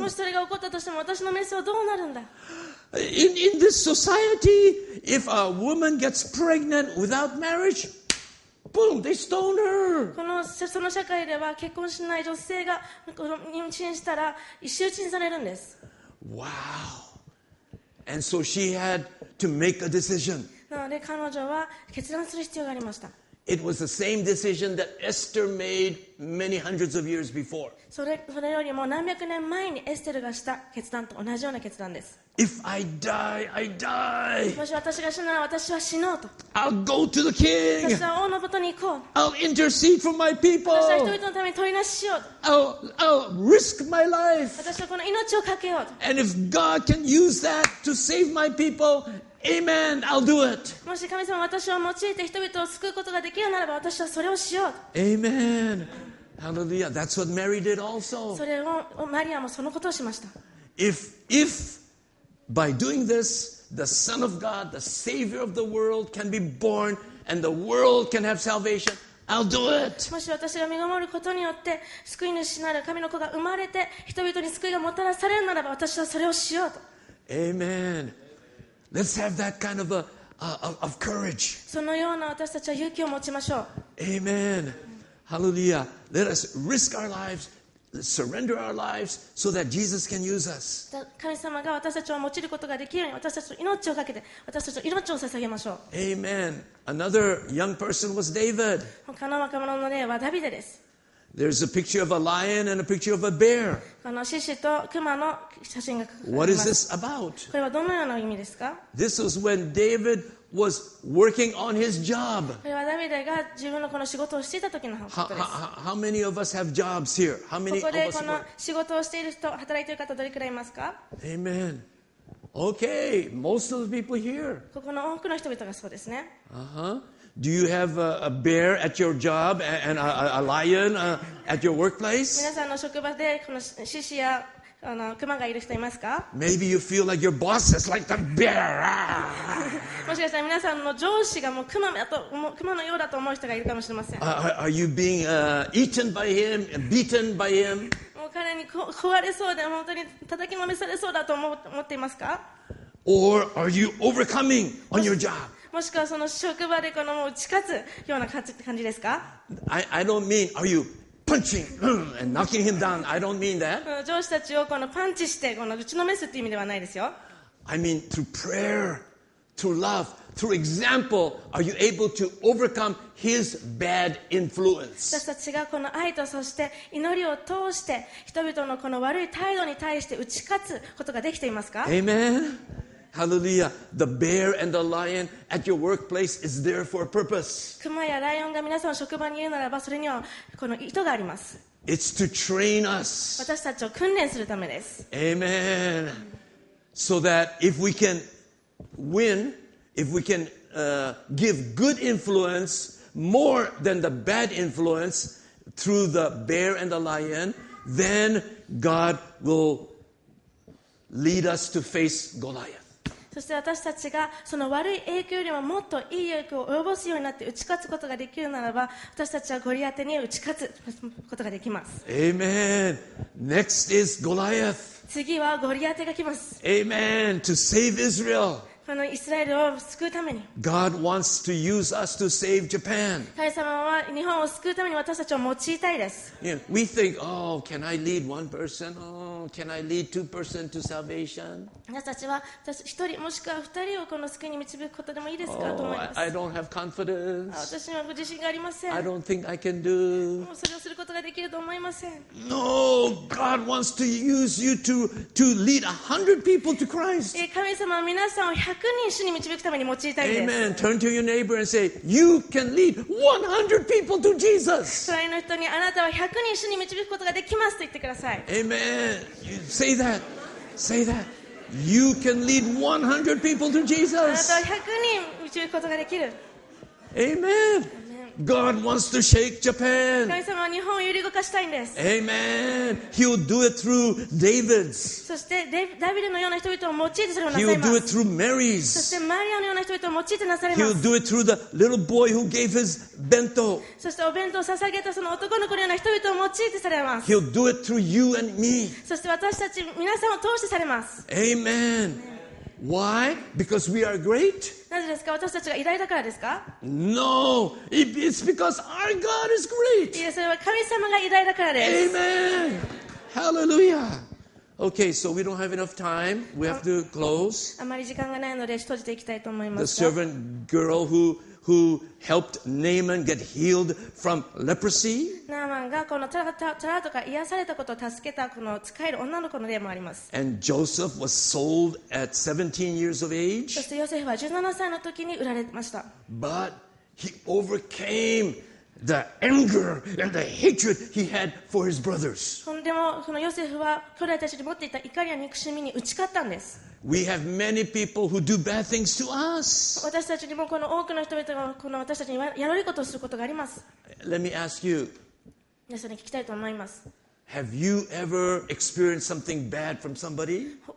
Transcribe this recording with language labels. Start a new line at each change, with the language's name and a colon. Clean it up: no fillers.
Japanese: もしそれが起こったとしても、私の名声はどうなるんだ。
English: In this society, if a woman gets pregnant without marriage,Boom, they stone her.
Japanese: その社会では結婚しない女性が妊娠したら石打ちにされるんです。
English: Wow. And so she had to make a decision.
Japanese: なので彼女は決断する必要がありました。
English: It was the same decision that Esther made many hundreds of years before.
Japanese: それよりも何百年前にエステルがした決断と同じような決断です。
English: If I die, I die.
Japanese: もし私が死なら私は死のうと。
English: I'll go to the king.
Japanese: 私は王のもとに行こう。
English: I'll intercede for my people.
Japanese: 私は人々のために取りなししようと。
English: I'll risk my life.
Japanese: 私はこの命を懸けようと。
English: And if God can use that to save my people,Amen. I'll do it.
Japanese: もし神様私を用いて人々を救うことができるならば私はそれをしよう。
English: Amen. Hallelujah. That's what Mary did also.
Japanese: それをマリアもそのことをしました。
English: If by doing this, the Son of God, the Savior of the world can be born and the world can have salvation, I'll do it.
Japanese: もし私が身ごもることによって救い主なる神の子が生まれて人々に救いがもたらされるならば私はそれをしようと。
English: Amen. Let's have that kind of of courage.
Japanese: そのような私たちは勇気を持ちましょう。
English: Amen. Hallelujah. Let us risk our lives, surrender our lives, so that Jesus can use us.
Japanese: 神様が私たちを用いることができるように私たちの命をかけて私たちの命を捧げましょう。
English: Amen. Another young person was David.
Japanese: 他の若者の例はダビデです。
English: There's a picture of a lion and a picture of a bear.
Japanese: この獅子と熊の写真が書かれています。
English: What is this about?
Japanese: これはどのような意味ですか?
English: This was when David was working on his job.
Japanese: これはダビデが自分のこの仕事をしていた時のことです。
English: How many of us have jobs here? How many
Japanese: ここでこの仕事をしている人、働いている方どれくらいいますか?
English: Amen. Okay, most of the people here.
Japanese: ここの多くの人々がそうですね。
English: Do you have a bear at your job and a lion at your workplace?
Japanese: 皆さんの職場でこの獅子やあの熊がいる人いますか?
English: Maybe you feel like your boss is like the bear.
Japanese: もしかしたら皆さんの上司がもう熊のようだと思う人がいるかもしれません。
English: Are you being eaten by him, beaten by him?
Japanese: もう彼に壊れそうで本当に叩きのめされそうだと思っていますか?
English: Or are you overcoming on your job?
Japanese: もしくはその職場でこのもう打ち勝つような感じですか?
English: I don't mean, are you punching and knocking him down? I don't mean that.
Japanese: 上司たちをこのパンチしてこの打ちのめすっていう意味ではないですよ。
English: I mean, through prayer, through love, through example, are you able to overcome his bad influence?
Japanese: 私たちがこの愛とそして祈りを通して人々のこの悪い態度に対して打ち勝つことができていますか?
English: Amen. Hallelujah. The bear and the lion at your workplace is there for a purpose.
Japanese: 熊やライオンが皆さんの職場にいるならば、それにはこの意図があります。
English: It's to train us.
Japanese: 私たちを訓練するためです。
English: Amen. So that if we can win, if we can give good influence more than the bad influence through the bear and the lion, then God will lead us to face Goliath.
Japanese: そして私たちがその悪い影響よりももっといい影響を及ぼすようになって打ち勝つことができるならば、私たちはゴリアテに打ち勝つことができます。
English: Amen. Next is Goliath.
Japanese: 次はゴリアテが来ます。
English: Amen. To save Israel.
Japanese: このイスラエルを救うために。
English: God wants to use us to save Japan.
Japanese: 神様は日本を救うために私たちを用いたいです。
English: Yeah. We think, oh, can I lead one person? Oh. Can I lead two person to salvation?
Japanese: 私たちは一人もしくは二人をこの救いに導くことでもいいですか、 oh, と思います。
English: I don't have confidence.
Japanese: 私には自信がありません。
English: I don't think I can do.
Japanese: もうそれをすることができると思いません。
English: No, God wants to use you to lead 100 people to Christ.
Japanese: 神様は皆さんを100人主に導くために用いたいです。
English: Amen. Turn to your neighbor and say, you can lead 100 people to Jesus.
Japanese: 隣の人にあなたは100人主に導くことができますと言ってください。
English: Amen. You say that. Say that. You can lead 100 people to Jesus.
Japanese: あなたは100人導くことができる。
English: Amen. God wants to shake Japan.
Japanese: 神様は日本を揺り動かしたいんです。
English: Amen. He'll do it through David's.
Japanese: そしてダビデのような人々を用いてそれをなさいます。
English: He'll do it through Mary's.
Japanese: そしてマリアのような人々を用いてなさいます。
English: He'll do it through the little boy who gave his bento.
Japanese: そしてお弁当を捧げたその男の子のような人々を用いてされます。
English: He'll do it through you and me.
Japanese: そして私たち皆さんを通してされます。
English: Amen. Why? Because we are great?
Japanese: なぜですか? 私たちが偉大だからですか?
English: No! It's because our God is great!
Japanese: いや、それは神様が偉大だからです。
English: Amen! Hallelujah! Okay, so we don't have enough time. We have to close.
Japanese: あまり時間がないので閉じていきたいと思います。
English: The servant girl who helped Naaman get healed from leprosy?
Japanese: ナーマンがこのトラとか癒されたことを助けたこの使える女の子の例もあります。
English: And Joseph was sold at 17 years of age?
Japanese: そしてヨセフは17歳の時に売られました。
English: But he overcame the anger and the hatred he had for his brothers.
Japanese: でもこのヨセフは兄弟たちに持っていた怒りや憎しみに打ち勝ったんです。
English: We have many people who do bad things to us.
Japanese: 私たちにもこの多くの人々がこの私たちにやられることをすることがあります。
English: Let me ask you.
Japanese: 皆さんに聞きたいと思います。
English: Have you ever experienced something bad from somebody?